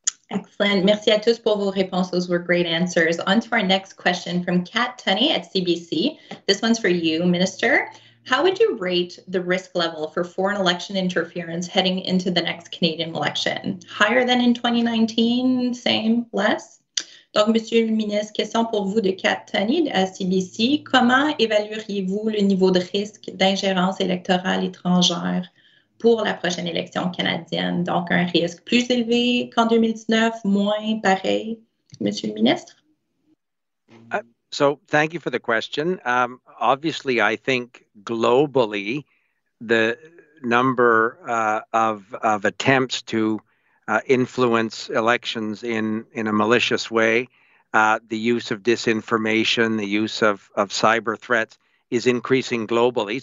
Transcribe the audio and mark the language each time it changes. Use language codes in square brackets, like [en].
[fr] Excellent. Merci à tous pour vos réponses. [en] Those were great answers. On to our next question from Kat Tunney at CBC. This one's for you, Minister. How would you rate the risk level for foreign election interference heading into the next Canadian election? Higher than in 2019? Same? Less? [fr] Donc, Monsieur le Ministre, question pour vous de Kat Tunney à CBC. Comment évalueriez-vous le niveau de risque d'ingérence électorale étrangère pour la prochaine élection canadienne? Donc, un risque plus élevé qu'en 2019, moins pareil, Monsieur le Ministre? [en] So thank you for the question. Obviously, I think globally, the number of attempts to influence elections in a malicious way, the use of disinformation, the use of cyber threats is increasing globally.